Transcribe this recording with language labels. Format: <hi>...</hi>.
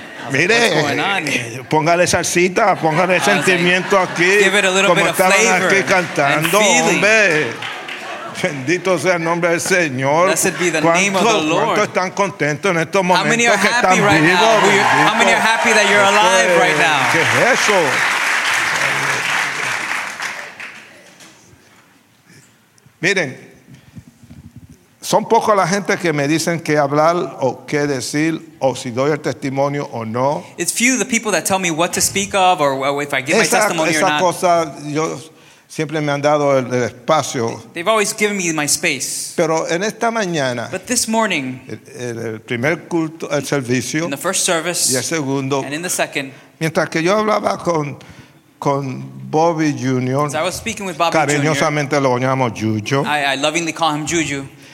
<es>Mire, póngale salsita, póngale sentimiento aquí. Como estaban aquí cantando, hombre. Bendito sea el nombre del Señor. ¿Cuántos están contentos en estos momentos que están vivos?</es> <en>How many are happy that you're alive right now?</en> <es>¿Qué es eso? Miren. Son pocos la gente que me dicen qué hablar o qué decir o si doy el testimonio o no.</es> <en>It's few the people that tell me what to speak of or if I give my testimony</en> <es>esa</es> <en>or not.</en> <es>Esa cosa yo siempre me han dado el espacio.</es> <en>They've always given me my space.</en> <es>Pero en esta mañana.</es> <en>But this morning.</en> <es>El primer culto, el servicio.</es> <en>In the first service.</en> <es>Y el segundo.</es> <en>And in the second.</en> <es>Mientras que yo hablaba con Bobby Jr.</es> <en>As I was speaking with Bobby</en> <es>cariñosamente</es> <en>Jr.</en> <es>Cariñosamente lo llamo Juju.</es> <en>I lovingly call him Juju.</en>